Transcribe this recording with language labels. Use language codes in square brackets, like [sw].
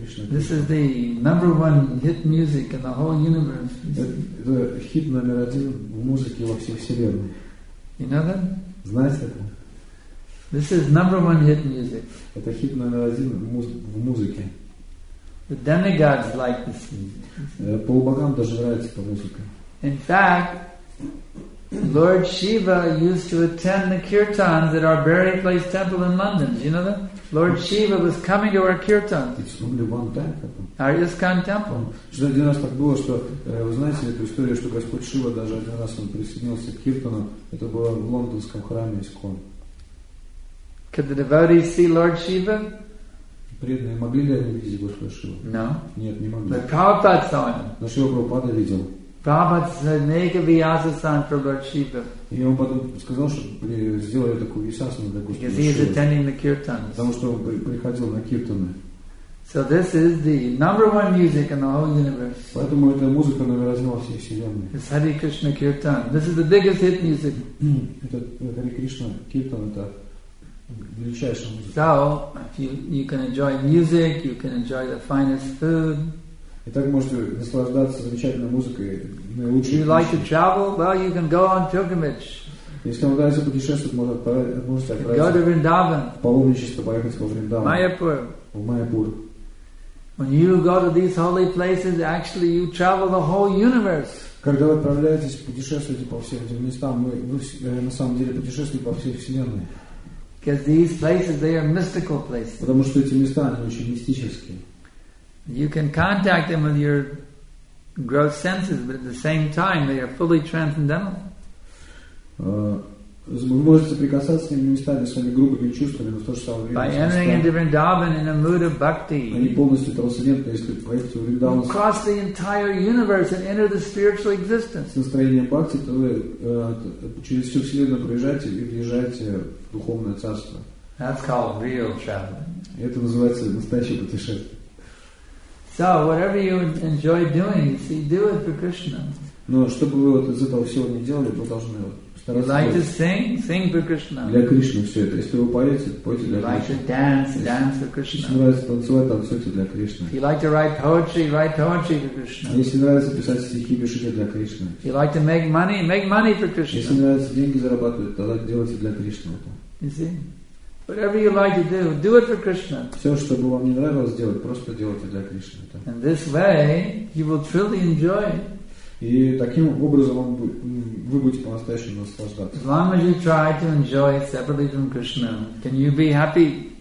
[en] This is the number one hit music in the whole universe. [ru] Это хит номер один в музыке во всей вселенной. [en] You know that? [ru] Знаете это? [en] This is number one hit music. [ru] Это хит номер один в музыке. [en] The demigods like this music. [ru] Полубогам даже нравится эта музыка. [en] In fact, Lord Shiva used to attend the kirtans at our burying place temple in London. Do you know that? Lord Shiva was coming to our kirtans. It's only one time. Our ISKCON temple. [ru] Что один раз так было, что вы знаете эту историю, что Господь Шива даже один раз он присоединился к киртану. Это было в лондонском храме ISKCON. [en] Could the devotees see Lord Shiva? [ru] Преданные могли ли они видеть Господа Шиву? [en] No. [ru] Нет, не могли. [en] But Prabhupada saw him. [ru] Но Шива Прабхупада видел. [en] Prabhupada said, make a Vyasasan for Lord Shiva. [ru] И он потом сказал, что сделали такую Вьясасану для Господа [en] Шивы. Because he is attending the kirtans. [ru] Потому что он приходил на киртаны. [en] So this is the number one music in the whole universe. [ru] Поэтому эта музыка номер один во всей вселенной. [en] It's Hare Krishna kirtan. This is the biggest hit music. [ru] Это Hare Krishna kirtan, это величайшая музыка. [en] So, if you can enjoy music, you can enjoy the finest food. [ru] И так можете наслаждаться замечательной музыкой. [en] Do you like [ru] вещи. [en] To travel? Well, you can go on pilgrimage. [ru] Если вам нравится путешествовать, можете отправиться. [en] Go to Vrindavan. [ru] В паломничество поехать во Вриндаван. Майяпур. В Майяпур. [en] When you go to these holy places, actually you travel the whole universe. [ru] Когда вы отправляетесь, путешествуете по всем этим местам, вы на самом деле путешествуете по всей вселенной. [en] Because these places, they are mystical places. [ru] Потому что эти места, они очень мистические. [en] You can contact them with your gross senses, but at the same time, they are fully transcendental. [ru] Вы можете прикасаться к этими местами своими грубыми чувствами, но в то же самое время. [en] By entering into Vrindavan in a mood of bhakti. [ru] Они полностью трансцендентны, если поедете в Вриндаван. [en] You cross the entire universe and enter the spiritual existence. [ru] С настроением бхакти, то вы через всю вселенную проезжаете и въезжаете в духовное царство. [en] That's called real traveling. [ru] Это называется настоящее путешествие. [en] So, whatever you enjoy doing, see, do it for Krishna. [ru] Но чтобы вы из этого всего не делали, вы должны стараться. [en] You like to sing? Sing for Krishna. [ru] Для Кришны все это. Если вы поете, пойте для [en] Кришны. You like to dance? Dance for Krishna. [ru] Если нравится танцевать, танцуйте для Кришны. [en] You like to write poetry? Write poetry for Krishna. [ru] Если нравится писать стихи, пишите для Кришны. [en] You like to make money? Make money for Krishna. [ru] Если нравится деньги зарабатывать, тогда делайте для Кришны это. [en] You see? Whatever you like to do, do it for Krishna. [ru] Все, что бы вам не нравилось делать, просто делайте для Кришны. Да? [en] And this way, you will truly enjoy. [ru] И таким образом вы будете по-настоящему наслаждаться. [en] As long as you try to enjoy separately from Krishna, can you be happy?